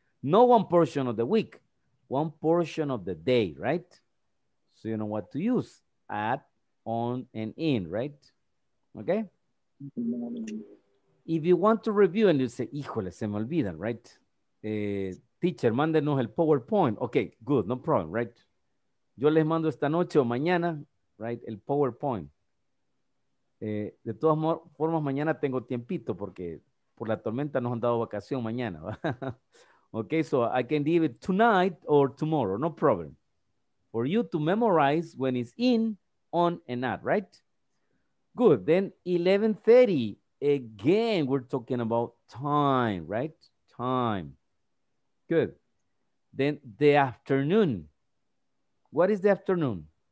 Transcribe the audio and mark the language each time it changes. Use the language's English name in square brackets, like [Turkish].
[English] No one portion of the week, one portion of the day, right? So you know what to use, at, on, and in, right? Okay? If you want to review and you say, [Spanish] híjole, se me olvidan, [English] right? Teacher, [Spanish] mándenos el PowerPoint. [English] Okay, good, no problem, right? [Spanish] Yo les mando esta noche o mañana, right, el PowerPoint. De todas formas, mañana tengo tiempito porque por la tormenta nos han dado vacación mañana. [English] Okay, so I can leave it tonight or tomorrow, no problem. For you to memorize when it's in, on, and at, right? Good, then 11:30, again, we're talking about time, right? Time. Good. Then the afternoon. What is the afternoon?